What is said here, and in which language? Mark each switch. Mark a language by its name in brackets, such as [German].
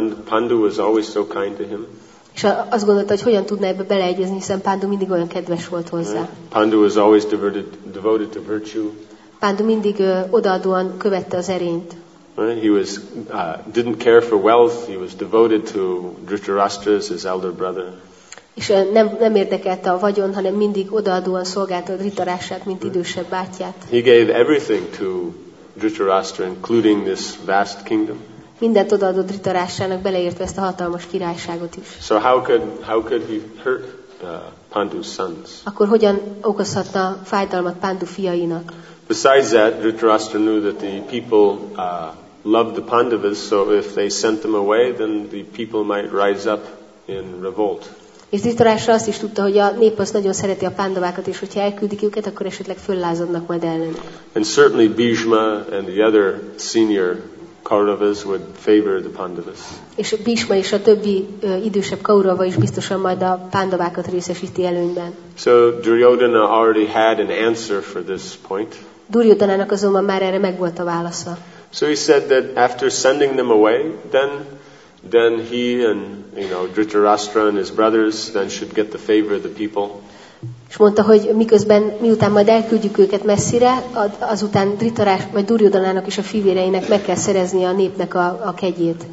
[English] Pandu was always so kind to him. [Hungarian] És azt gondolta, hogy hogyan tudna ebbe beleegyezni, hiszen Pandu mindig olyan kedves volt hozzá. [English] Right? Pandu was always devoted to virtue. [Hungarian] Pandu mindig odaadóan követte az erényt. [English] He was didn't care for wealth. He was devoted to Dhritarashtra, his elder brother. [Hungarian] És nem érdekelte a vagyon, hanem mindig odaadóan szolgálta Dhritarashtrát, mint idősebb bátyját. [English] He gave everything to Dhritarashtra, including this vast kingdom. [Hungarian] Mindent odaadott Dhritarashtrának, beleértve ezt a hatalmas királyságot is. [English] So how could he hurt Pandu's sons? [Hungarian] Akkor hogyan okozhatna fájdalmat Pandu fiainak? [English] Besides that, Dhritarashtra knew that the people loved the Pandavas, so if they sent them away, then the people might rise up in revolt. [Hungarian] És Dhritarashtra azt is tudta, hogy a nép az nagyon szereti a Pandavákat, és hogyha elküldik őket, akkor esetleg föllázadnak majd ellen. [English] And certainly Bhishma and the other senior Kauravas would favor the Pandavas. [Hungarian] És Bhishma és a többi idősebb Kaurava is biztosan majd a Pandavákat részesíti előnyben. [English] So Duryodhana already had an answer for this point. [Hungarian] Duryodhanának azonban már erre megvolt a válasza. [English] So he said that after sending them away, then he and, you know, Dhritarashtra and his brothers then should get the favor of the people. [Hungarian] És mondta, hogy miközben, miután majd elküldjük őket messzire, azután Dhritarashtra vagy Duryodhanának és a fivéreinek meg kell szerezni a népnek a kegyét.